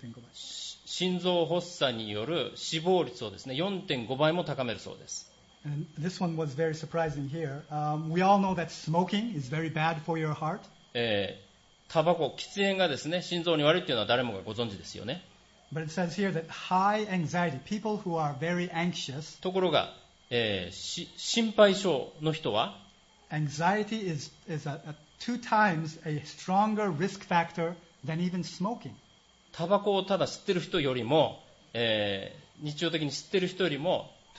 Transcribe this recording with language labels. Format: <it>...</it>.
<ja>心臓発作による死亡率をですね、4.5 倍も高めるそうです。</ja> <en>And this one was very surprising here. We all know that smoking is very bad for your heart.</en> <ja>タバコ、喫煙がですね、心臓に悪いというのは誰もがご存知ですよね。</ja> <en>But it says here that high anxiety, people who are very anxious.</en> <ja>ところが、心配症の人は、</ja> <en>anxiety is a two times a stronger risk factor than even smoking.</en> <ja>タバコをただ吸ってる人よりも、日常的に吸ってる人よりも、</ja>